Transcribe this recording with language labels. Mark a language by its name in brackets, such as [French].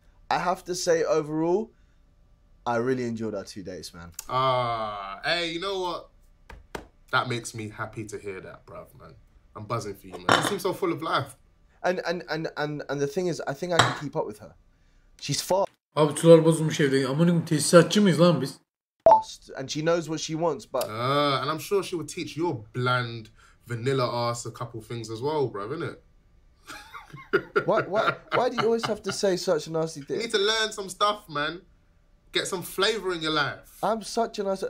[English] I have to say, overall, I really enjoyed our 2 days, man. Hey, you know what? That makes me happy to hear that, bruv, man. I'm buzzing for you, man. You seem so full of life. And the thing is, I think I can keep up with her. She's fast. [Turkish] Abi, sular bozulmuş evde. Aman oğlum, tesisatçı mıyız lan biz? [English] Fast, and she knows what she wants, but... And I'm sure she would teach your bland, vanilla ass a couple things as well, bruv, innit? Why do you always have to say such a nasty thing? You need to learn some stuff, man. Get some flavour in your life. I'm such a nice...